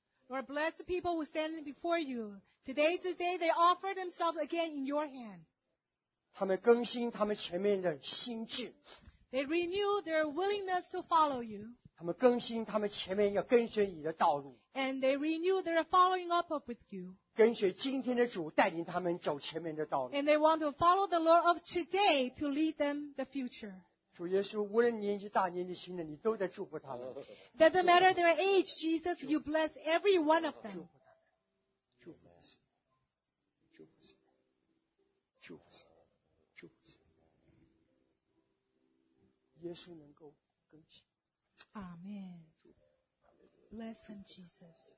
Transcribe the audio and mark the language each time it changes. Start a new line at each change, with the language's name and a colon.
English: Lord, bless the people who stand before you. Today is the day they offer themselves again in your hand.
Chinese: 他们更新他们前面的心智。
English: They renew their willingness to follow you.
Chinese: 他们更新他们前面要跟随你的道路。
English: And they renew their following up with you.
Chinese: 跟随今天的主带领他们走前面的道路。
English: And they want to follow the Lord of today to lead them the future.
Chinese: 主耶稣，无论年纪大年纪轻的，你都在祝福他们。
English: Doesn't matter their age, Jesus, you bless every one of them.
Chinese: 祝福他们，祝福，祝福，祝福，祝福。耶稣能够更新。
English: Amen. Bless them, Jesus.